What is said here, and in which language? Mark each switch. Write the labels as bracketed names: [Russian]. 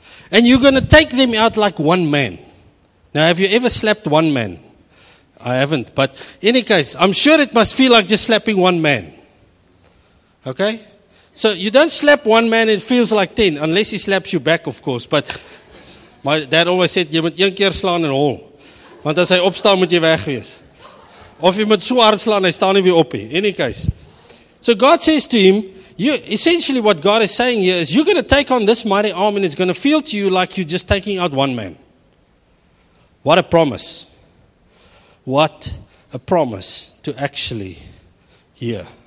[English] And you're going to take them out like one man." Now, have you ever slapped one man? I haven't. But in any case, I'm sure it must feel like just slapping one man. Okay? So you don't slap one man, it feels like 10. Unless he slaps you back, of course. But my dad always said, you must one [Afrikaans] keer slaan en hol. Want as hy opstaan, moet jy weg wees. Of jy moet so hard slaan, hy staan nie weer op. [English] In any case. So God says to him, "You essentially, what God is saying here is, you're going to take on this mighty arm, and it's going to feel to you like you're just taking out one man." What a promise. What a promise to actually hear.